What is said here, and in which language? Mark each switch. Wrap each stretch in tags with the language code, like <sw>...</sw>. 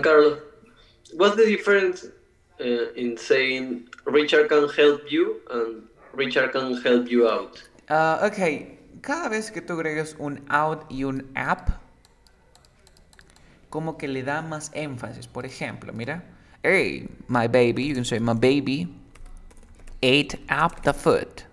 <en>Carlos, what's the difference in saying Richard can help you and Richard can help you out?</en> <es>Cada vez que tú agregas un out y un app, como que le da más énfasis. Por ejemplo, mira.</es> <en>Hey, my baby. You can say, my baby ate up the food.</en>